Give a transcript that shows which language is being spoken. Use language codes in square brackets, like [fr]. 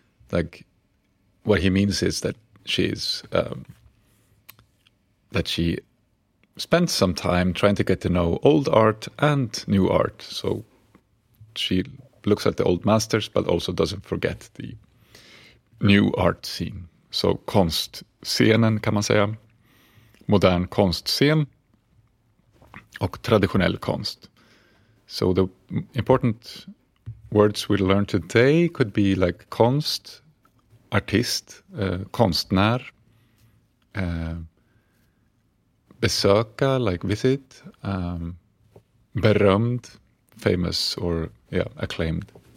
[en] Like, what he means is that she is that she spent some time trying to get to know old art and new art. So she looks at the old masters, but also doesn't forget the new art scene. [sv] So konstscenen kan man säga, modern konstscen och traditionell konst. [en] So the important words we learned today could be like konst. Artist, konstnär, besöka, like visit, berömd, famous or yeah, acclaimed.